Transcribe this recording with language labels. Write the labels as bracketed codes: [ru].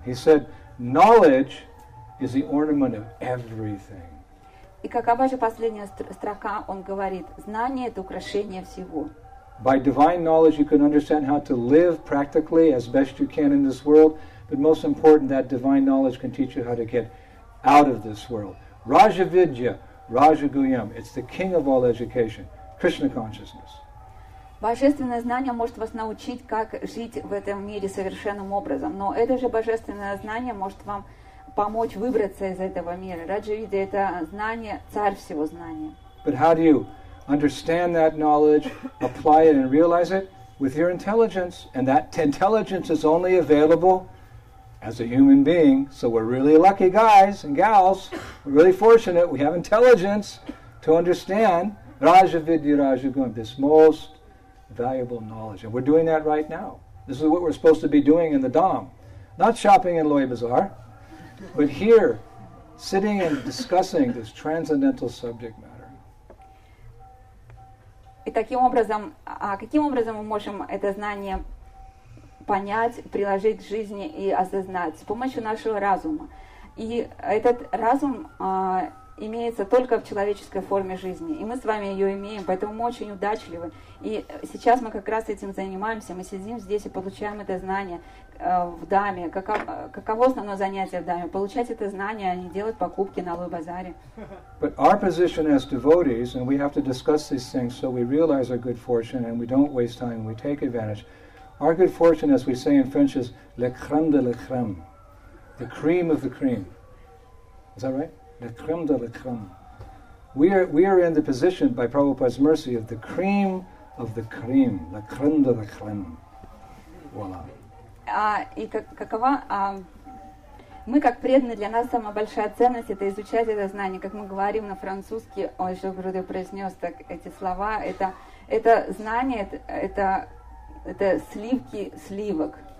[en] He said, knowledge is the ornament of everything. [ru] И какова же последняя строка, он говорит, знание — это украшение всего. [en] By divine knowledge you can understand how to live practically as best you can in this world, but most important, that divine knowledge can teach you how to get out of this world. Raja Vidya, Raja Guyam, it's the king of all education, Krishna consciousness. [ru] Божественное знание может вас научить, как жить в этом мире совершенным образом, но это же божественное знание может вам помочь выбраться из этого мира. Раджа-видья — это знание, царь всего знания. [en] But how do you understand that knowledge, apply it and realize it? With your intelligence. And that intelligence is only available as a human being. So we're really lucky guys and gals. We're really fortunate. We have intelligence to understand Raja-vidya, Raja-guna, this most valuable knowledge. And we're doing that right now. This is what we're supposed to be doing in the Dham. Not shopping in Loi Bazaar. But here, sitting and discussing this transcendental subject matter. [ru] И таким образом, каким образом мы можем это знание понять, приложить к жизни и осознать? С помощью нашего разума. И этот разум имеется только в человеческой форме жизни. И мы с вами ее имеем, поэтому мы очень удачливы. И сейчас мы как раз этим занимаемся. Мы сидим здесь и получаем это знание в Даме. Каково основное занятие в Даме? Получать это знание, а не делать покупки на Лой-базаре. [en] But our position as devotees, and we have to discuss these things so we realize our good fortune and we don't waste time and we take advantage. Our good fortune, as we say in French, is [fr] le crème de la crème. [en] The cream of the cream. Is that right? The [fr] crème de la crème. [en] We are in the position, by Prabhupada's mercy, of the cream of the cream, [fr] la crème de la crème. Voilà. [ru] Мы как преданные, для нас самая большая ценность — это изучать это знание, как мы говорим на французский. Ой, что Гурудев произнес так эти слова. Это знание, это сливки сливок.